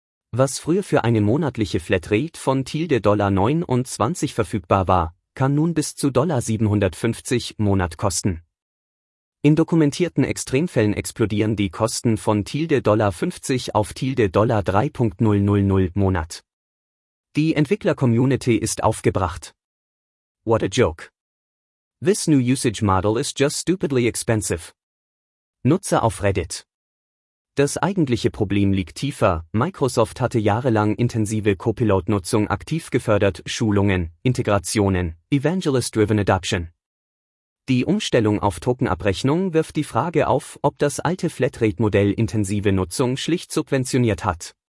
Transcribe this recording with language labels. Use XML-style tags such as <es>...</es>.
<de>Was früher für eine monatliche Flatrate von $29 verfügbar war, kann nun bis zu $750 im Monat kosten. In dokumentierten Extremfällen explodieren die Kosten von $50 auf $3.000 im Monat. Die Entwickler-Community ist aufgebracht.</de> <en>What a joke. This new usage model is just stupidly expensive.</en> <de>Nutzer auf Reddit. Das eigentliche Problem liegt tiefer. Microsoft hatte jahrelang intensive Copilot-Nutzung aktiv gefördert, Schulungen, Integrationen, Evangelist-driven Adoption. Die Umstellung auf Tokenabrechnung wirft die Frage auf, ob das alte Flatrate-Modell intensive Nutzung schlicht subventioniert hat.</de>